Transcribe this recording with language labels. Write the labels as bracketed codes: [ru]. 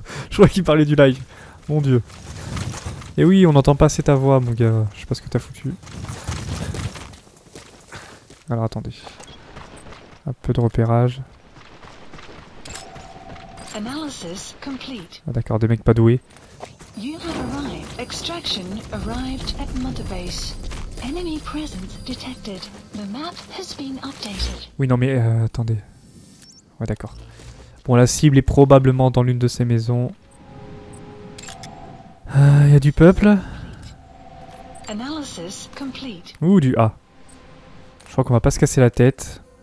[fr] Je crois qu'il parlait du live. Mon dieu. Et oui, on n'entend pas assez ta voix, mon gars. Je sais pas ce que t'as foutu. Alors, attendez. Un peu de repérage. [en] Analysis complete. [fr] Ah d'accord, des mecs pas doués. [en] You have arrived. Extraction arrived at Mother Base. Enemy presence detected. The map has been updated. [fr] Oui, non, mais attendez. Ouais, d'accord. Bon, la cible est probablement dans l'une de ces maisons. Il y a du peuple. [en] Analysis complete. [fr] Ouh, du A. Je crois qu'on va pas se casser la tête.